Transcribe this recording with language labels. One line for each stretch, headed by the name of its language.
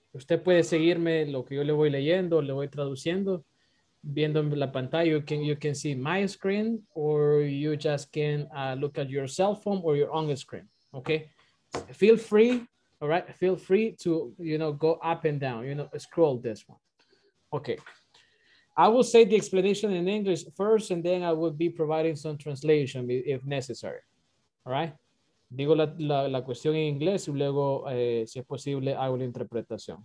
Spanish: Usted puede seguirme lo que yo le voy leyendo, le voy traduciendo viendo la pantalla.
English: You can see my screen or you just can look at your cell phone or your own screen. Okay, feel free. All right, feel free to, you know, go up and down, you know, scroll this one. Okay. I will say the explanation in English first, and then I will be providing some translation if necessary. All right.
Spanish: Digo la cuestión en inglés y luego, si es posible, hago la interpretación.